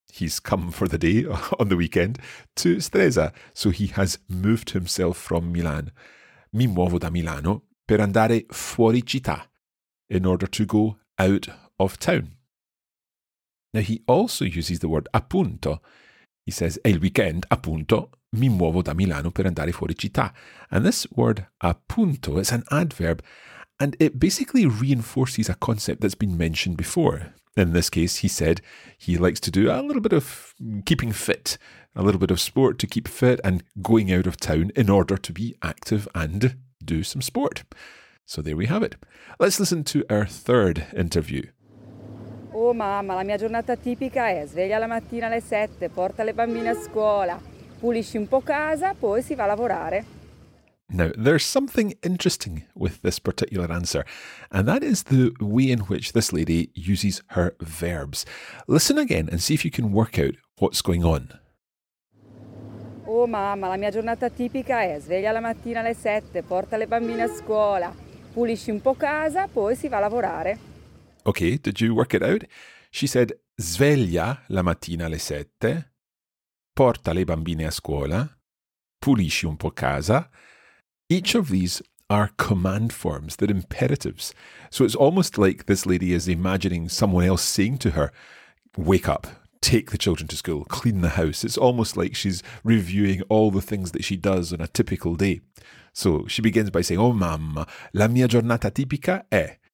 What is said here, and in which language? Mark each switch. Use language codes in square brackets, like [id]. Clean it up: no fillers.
[en] He's come for the day on the weekend to Stresa. So, he has moved himself from Milan. [it] Mi muovo da Milano per andare fuori città, [en] in order to go out of town. Now, he also uses the word appunto. He says, [it] è il weekend, appunto, mi muovo da Milano per andare fuori città. [en] And this word appunto is an adverb, and it basically reinforces a concept that's been mentioned before. In this case, he said he likes to do a little bit of keeping fit, a little bit of sport to keep fit, and going out of town in order to be active and do some sport. So there we have it. Let's listen to our third interview. [it] Oh mamma, la mia giornata tipica è sveglia la mattina alle 7, porta le bambine a scuola, pulisci un po' casa, poi si va a lavorare. [en] Now, there's something interesting with this particular answer, and that is the way in which this lady uses her verbs. Listen again and see if you can work out what's going on. [it] Oh mamma, la mia giornata tipica è sveglia la mattina alle 7, porta le bambine a scuola, pulisci un po' casa, poi si va a lavorare. [en] Okay, did you work it out? She said, [it] sveglia la mattina alle sette, porta le bambine a scuola, pulisci un po' casa. [en] Each of these are command forms, they're imperatives. So it's almost like this lady is imagining someone else saying to her, wake up, take the children to school, clean the house. It's almost like she's reviewing all the things that she does on a typical day. So she begins by saying, [it] oh mamma, la mia giornata tipica è.